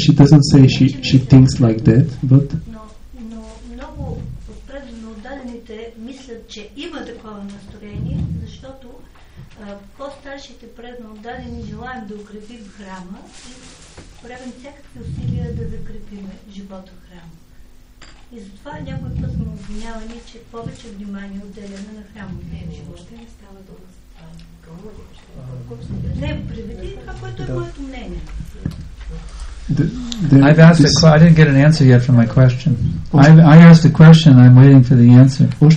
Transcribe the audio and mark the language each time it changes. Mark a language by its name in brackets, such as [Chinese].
[English] she doesn't say she thinks like that, but... [Bulgarian] Но много отпредно отдадените мислят, че има такова настроение, защото по-старшите предно отдадени желаем да укрепим храма и правим всякакви усилия да закрепим живота в храма. И затова някой път сме обвинявани, че повече внимание отделяме на храма. Не, въобще не става дума за това. [English] I've asked a question. I didn't get an answer yet from my question. I asked a question. I'm waiting for the answer.